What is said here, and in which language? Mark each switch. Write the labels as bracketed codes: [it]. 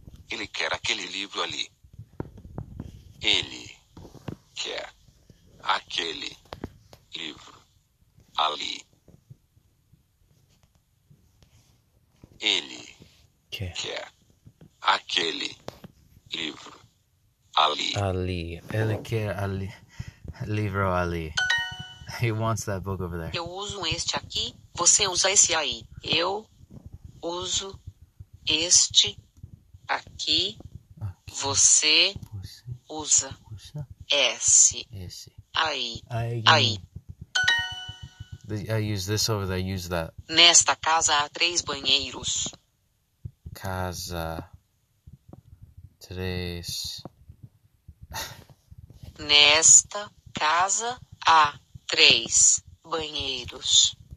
[pt] Ele quer aquele livro ali. Ele quer aquele livro ali. Ele quer aquele livro ali. Ali. Ele quer ali. Livro ali. [en] He wants that book over there. [pt] Eu uso este aqui. Você usa esse aí. Eu uso este aqui. Aqui. Você, você usa, usa esse. Esse. Aí. Aí. Aí. [en] I use this over there, use that. [pt] Nesta casa há três banheiros. Casa. Três. Nesta casa há três banheiros.